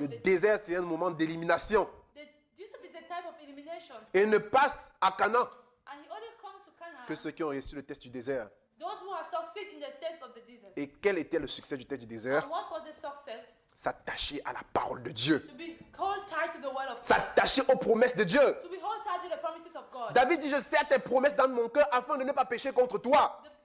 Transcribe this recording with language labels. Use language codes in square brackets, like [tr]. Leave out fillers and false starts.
[fr] le désert, c'est un moment d'élimination. [en] This is a type of elimination. [fr] Et ne passe à Canaan, [en] and he only comes to Canaan [fr] que ceux qui ont reçu le test du désert. [en] Those who have succeeded in the test of the desert. [fr] Et quel était le succès du test du désert? [en] And what was the success? [fr] S'attacher à la parole de Dieu. [en] To be hold tight to the word of God. [fr] S'attacher aux promesses de Dieu. [en] To be hold tight to the promises of God. [fr] David dit, je serre tes promesses dans mon cœur afin de ne pas pécher contre toi.